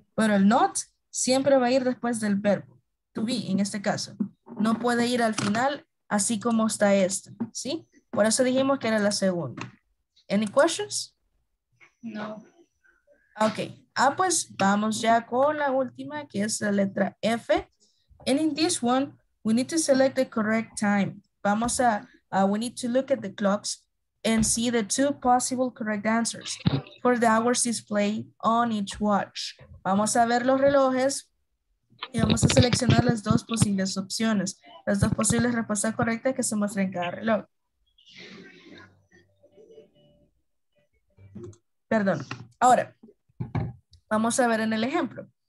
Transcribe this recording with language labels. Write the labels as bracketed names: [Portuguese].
[Spanish] Pero el not siempre va a ir después del verbo. To be, en este caso. No puede ir al final así como está esto. ¿Sí? Por eso dijimos que era la segunda. [English] Any questions? [Spanish] No. Ok. Ah, pues vamos ya con la última, que es la letra F. [English] And in this one, we need to select the correct time. [Spanish] Vamos a, [English] we need to look at the clocks and see the two possible correct answers for the hours displayed on each watch. [Spanish] Vamos a ver los relojes y vamos a seleccionar las dos posibles opciones, las dos posibles respuestas correctas que se muestran en cada reloj. Perdón. Ahora, vamos a ver en el ejemplo.